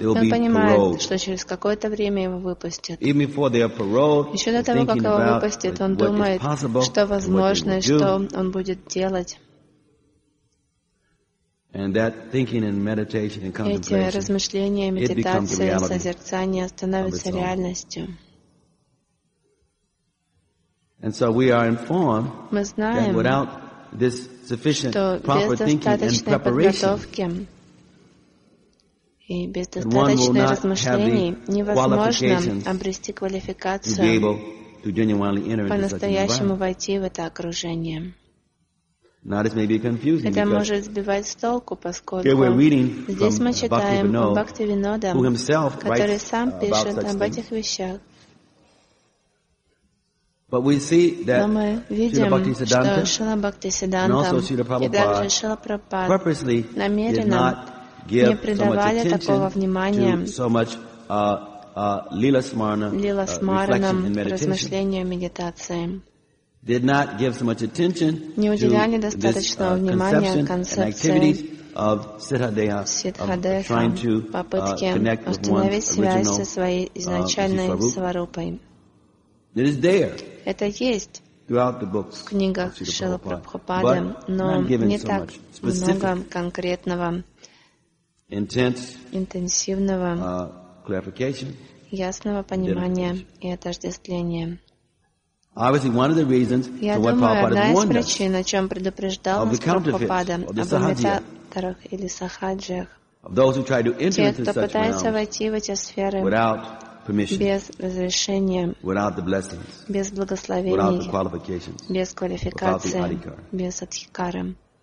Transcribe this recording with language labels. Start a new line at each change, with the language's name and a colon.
Russian: Он понимает, что через какое-то время его выпустят. Еще до того, как его выпустят, он думает, что возможно, что он будет делать.
English: And that thinking and meditation and contemplation,
Russian: эти размышления, медитация, созерцание становятся реальностью.
English: And so we are informed,
Russian: мы знаем,
English: that without this sufficient proper thinking and preparation,
Russian: и без достаточных размышлений невозможно обрести квалификацию по-настоящему войти в это окружение.
English: Now this may be confusing.
Russian: Это может сбивать с толку, поскольку здесь мы читаем о Бхактивинода, который сам пишет об этих вещах.
English: But we see that
Russian: но мы видим, что Шрила Бхактисиддханта и также Шрила Прабхупада намеренно не придавали такого внимания лила-смаранам, размышлениям, медитациям.
English: Did not give so much attention to this conception and activities of siddhadeha, of trying to connect with one's original Swarupa. It is there.
Russian: Это есть.
English: Throughout the books,
Russian: в книгах Шрилы Прабхупады, но не так много конкретного, интенсивного, ясного понимания и отождествления.
English: Obviously, one of the reasons for what Prabhupada warned us,
Russian: причин, о чем предупреждал
English: of the counterfeits, of the
Russian: сахаджиях, или сахаджиях,
English: of those who try to enter
Russian: те, кто пытается войти в эти сферы
English: without permission,
Russian: без разрешения,
English: without the blessings,
Russian: без благословений,
English: without the qualifications,
Russian: без квалификации, без адхикары.